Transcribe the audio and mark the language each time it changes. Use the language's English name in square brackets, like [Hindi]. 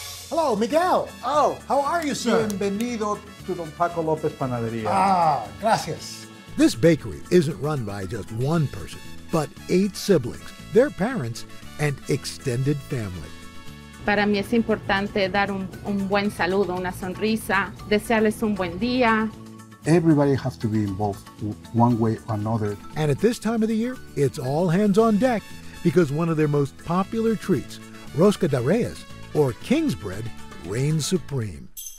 [English] Hello, Miguel. Oh, how are you, sir? [Spanish] Bienvenido [English] to Don Paco López Panadería. [Spanish] Ah, gracias. [English] This bakery isn't run by just one person, but 8 siblings, their parents, and extended family. [Spanish] Para mí es importante dar un buen saludo, una sonrisa, desearles un buen día. [English] Everybody has to be involved one way or another. And at this time of the year, it's all hands on deck because one of their most popular treats, Rosca de Reyes, or King's Bread, reigns supreme.